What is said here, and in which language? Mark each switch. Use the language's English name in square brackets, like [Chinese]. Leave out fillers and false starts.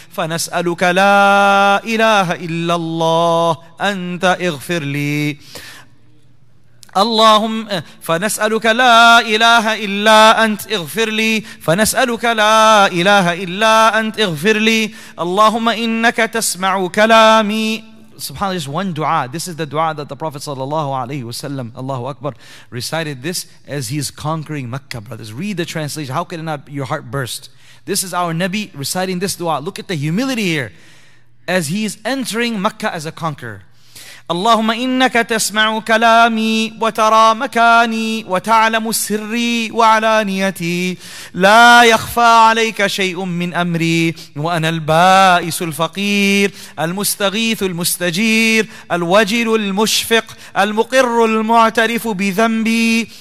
[Arabic] فنسألك لا إله إلا الله أنت اغفر لي. اللهم فنسألك لا إله إلا أنت اغفر لي، فنسألك لا إله إلا أنت اغفر لي. اللهم إنك تسمع كلامي. [English] Subhanallah, just one dua. This is the dua that the Prophet sallallahu alaihi wasallam, Allahu Akbar, recited this as he is conquering Mecca, brothers. Read the translation. How can it not your heart burst? This is our Nabi reciting this dua. Look at the humility here as he is entering Mecca as a conqueror. [Arabic] اللهم إنك تسمع كلامي وترى مكاني وتعلم سري وعلانيتي، لا يخفى عليك شيء من أمري، وأنا البائس الفقير، المستغيث المستجير، الوجل المشفق، المقر المعترف بذنبي.